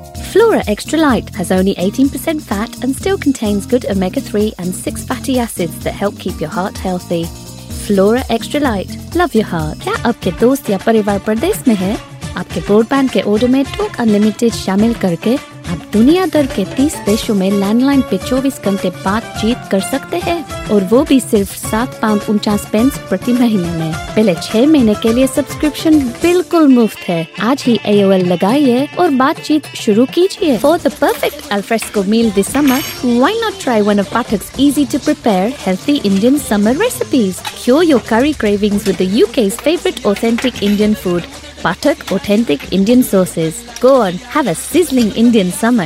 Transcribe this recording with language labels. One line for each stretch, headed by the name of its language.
English: Flora Extra Light has only 18% fat and still contains good omega-3 and 6 fatty acids that help keep your heart healthy. Flora Extra Light. Love your heart.
Hindi: क्या आपके दोस्त या परिवार परदेश में है? आपके broadband के order में talk unlimited शामिल करके, आप दुनिया दर के 30 देशों में landline पे 24 घंटे बात चीत कर सकते है. और वो भी सिर्फ £7.49 प्रति महीने में. पहले 6 महीने के लिए सब्सक्रिप्शन बिल्कुल मुफ्त है. आज ही AOL लगाइए और बात चीत शुरू कीजिए.
English: For the perfect alfresco meal this summer, why not try one of Patak's easy to prepare healthy Indian summer recipes? Cure your curry cravings with the UK's favorite authentic Indian food. Patak Authentic Indian Sources. Go on, have a sizzling Indian summer.